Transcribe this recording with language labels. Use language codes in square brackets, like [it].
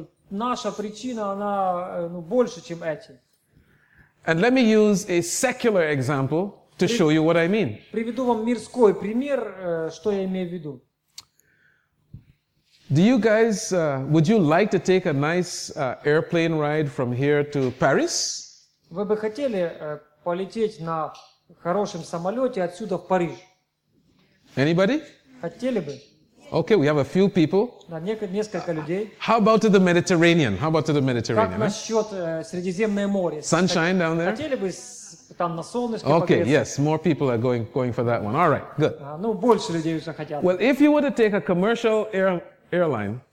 [ru] Наша причина, она больше, чем эти. [en] And let me use a secular example to show you what I mean. [ru] Приведу вам мирской пример, что я имею в виду. [en] Do you guys, would you like to take a nice airplane ride from here to Paris? [ru] Вы бы хотели полететь на хорошем самолете отсюда в Париж? [en] Anybody? [ru] Хотели бы. [en] Okay, we have a few people. [ru] Да, несколько людей. [en] How about to the Mediterranean? How about to the Mediterranean? [ru] Как насчет Средиземное море? [en] Sunshine down there? [ru] Хотели бы там на солнышке [en] Okay, yes, more people are going for that one. All right, good. [ru] Больше людей уже хотят. [en] Well, if you were to take a commercial airline.